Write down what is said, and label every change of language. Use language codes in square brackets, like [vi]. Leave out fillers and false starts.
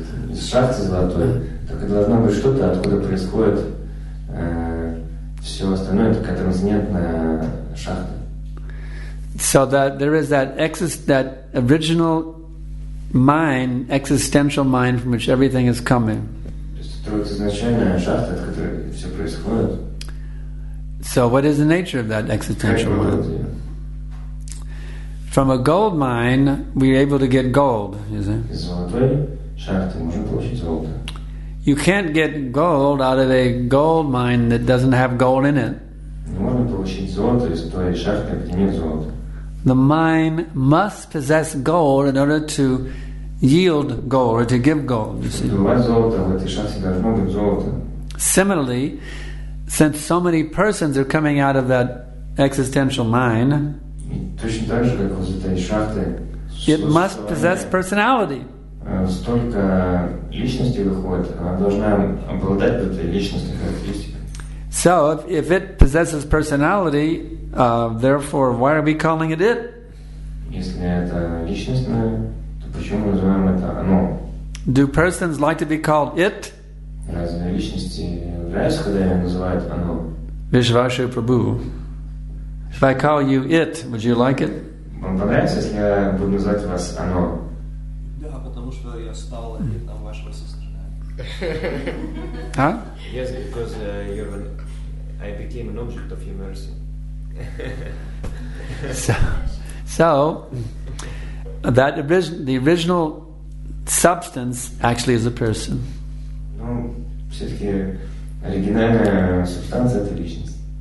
[ru] из шахты золотой, так и должно быть что-то, откуда происходит все остальное, это такая трансцендентная шахта. [en] So that there is that original mind, existential mind, from which everything is coming. [ru] То есть это изначальная шахта, от которой все происходит. [en] So what is the nature of that existential mind? From a gold mine, we're able to get gold, is it? [ru] Из золотой шахты можно получить золото. [en] You can't get gold out of a gold mine that doesn't have gold in it. [ru] Не можно получить золото из той шахты, где нет золота. [en] The mine must possess gold in order to yield gold or to give gold. [ru] Чтобы добывать золото, в этой шахте должно быть золото. [en] Similarly, since so many persons are coming out of that existential mine, [ru] точно так же, как из этой шахты, [en] it must possess personality. [ru] Столько личности выходит, она должна обладать этой личностной характеристикой. [en] So, if it possesses personality, therefore, why are we calling it it? [ru] Если это личностное, то почему мы называем это оно? [en] Do persons like to be called it? [ru] Разные личности нравятся, когда ее называют оно? Вишвашу Прабху. [en] If I call you it, would you like it? [ru] Вам понравится, если я буду называть вас оно? [en] Huh? Yes, because I became an object of your mercy. So that the original substance actually is a person. [ru] No, все-таки оригинальная субстанция это личность.